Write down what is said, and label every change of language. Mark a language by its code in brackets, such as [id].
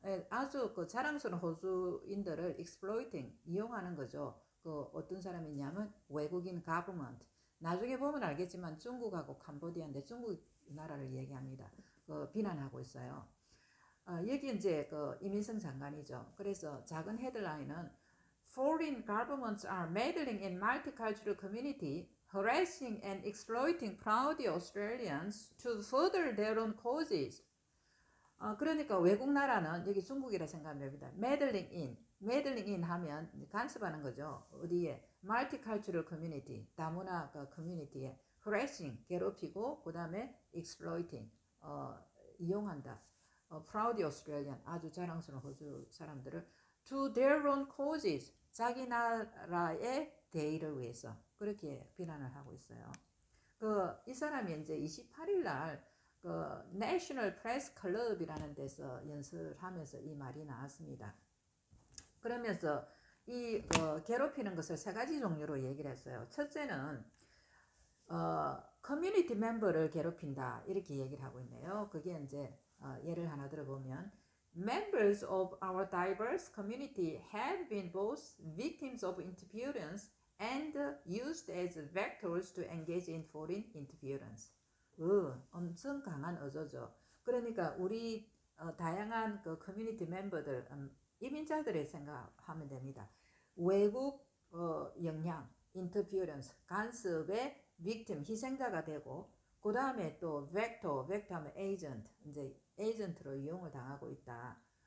[ko] 아주 그 자랑스러운 호주인들을 exploiting, 이용하는 거죠. 그 어떤 사람이냐면 외국인 government. 나중에 보면 알겠지만 중국하고 캄보디아인데 중국 나라를 얘기합니다. 비난하고 있어요. 여기 이제 그 이민성 장관이죠. 그래서 작은 헤드라인은 [en] Foreign governments are meddling in multicultural community, harassing and exploiting proud Australians to further their own causes. [ko] 그러니까 외국 나라는 여기 중국이라 생각합니다. [en] Meddling in. Meddling in [ko] 하면 간섭하는 거죠. 어디에? [en] Multicultural community. [ko] 다문화 커뮤니티에 [en] harassing. [ko] 괴롭히고, 그 다음에 exploiting. 이용한다. [en] Proud Australian. [ko] 아주 자랑스러운 호주 사람들을. [en] To their own causes. [ko] 자기 나라의 대의를 위해서. 그렇게 비난을 하고 있어요. 이 사람이 이제 28일 날 National Press Club이라는 데서 연설하면서 이 말이 나왔습니다. 그러면서 이 괴롭히는 것을 세 가지 종류로 얘기를 했어요. 첫째는 커뮤니티 멤버를 괴롭힌다, 이렇게 얘기를 하고 있네요. 그게 이제 예를 하나 들어보면 [en] Members of our diverse community have been both victims of interference and used as vectors to engage in foreign interference. [ko] 엄청 강한 어조죠. 그러니까 우리 다양한 그 커뮤니티 멤버들, 이민자들의 생각하면 됩니다. 외국 영향, interference, 간섭의 victim, 희생자가 되고, 그 다음에 또 vector 하면 agent, 이제 agent로 이용을 당하고 있다.